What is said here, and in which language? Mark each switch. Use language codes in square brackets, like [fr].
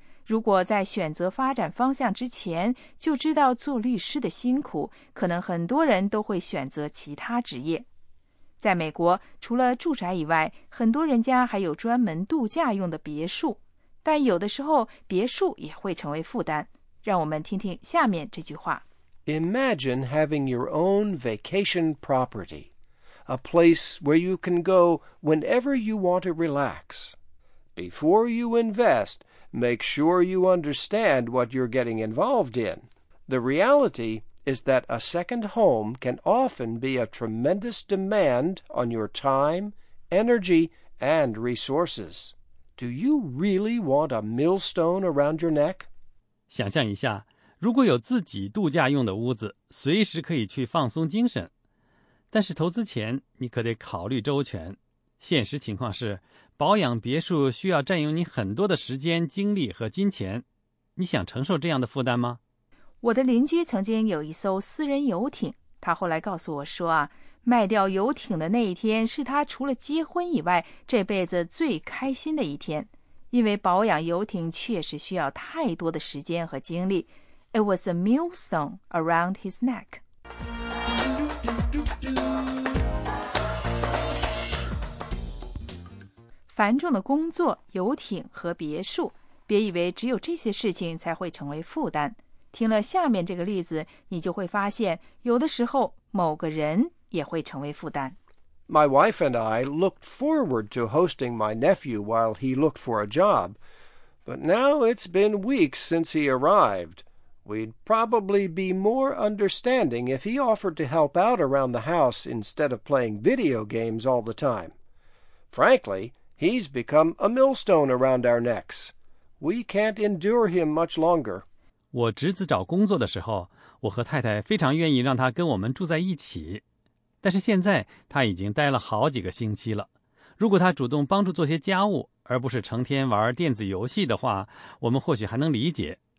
[zh] 如果在选择发展方向之前就知道做律师的辛苦，可能很多人都会选择其他职业。在美国，除了住宅以外，很多人家还有专门度假用的别墅，但有的时候别墅也会成为负担。让我们听听下面这句话。 [en] Imagine having your own vacation property, a place where you can go whenever you want to relax. Before you invest,Make sure you understand what you're getting involved in. The reality is that a second home can often be a tremendous demand on your time, energy, and resources. Do you really want a millstone around your neck? [zh] 想象一下，如果有自己度假用的屋子，随时可以去放松精神。但是投资前，你可得考虑周全。现实情况是保养别墅需要占用你很多的时间、精力和金钱。你想承受这样的负担吗？我的邻居曾经有一艘私人游艇，他后来告诉我说啊，卖掉游艇的那一天是他除了结婚以外这辈子最开心的一天，因为保养游艇确实需要太多的时间和精力。 [en] It was a millstone around his neck. [zh] 繁重的工作、游艇和别墅，别以为只有这些事情才会成为负担。听了下面这个例子，你就会发现，有的时候某个人也会成为负担。 [en] My wife and I looked forward to hosting my nephew while he looked for a job, but now it's been weeks since he arrived. We'd probably be more understanding if he offered to help out around the house instead of playing video games all the time. Frankly, he's become a millstone around our necks. We can't endure him much longer. [zh] 我侄子找工作的时候，我和太太非常愿意让他跟我们住在一起。但是现在他已经待了好几个星期了，如果他主动帮助做些家务而不是成天玩电子游戏的话，我们或许还能理解。